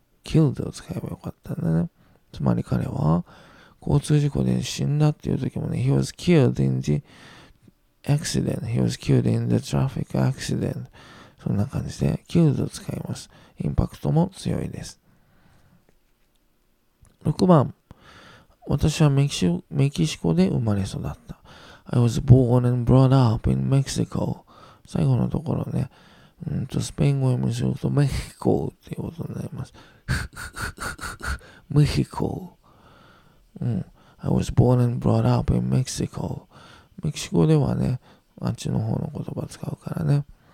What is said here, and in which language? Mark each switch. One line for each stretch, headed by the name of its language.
Japanese: killed を使えばよかったんだね。つまり彼は、交通事故で死んだっていうときもね、
English: he was killed in the accident. He was killed in the traffic accident.
Japanese: そんな感じで、killed を使います。インパクトも強いです。 6番。私はメキシコで生まれ育った。
English: I was born and brought up in Mexico.
Japanese: 最後のところね、スペイン語読みするとメヒコっていうことになります。メヒコ。
English: I was born and brought up in Mexico.
Japanese: メキシコではね、あっちの方の言葉使うからね。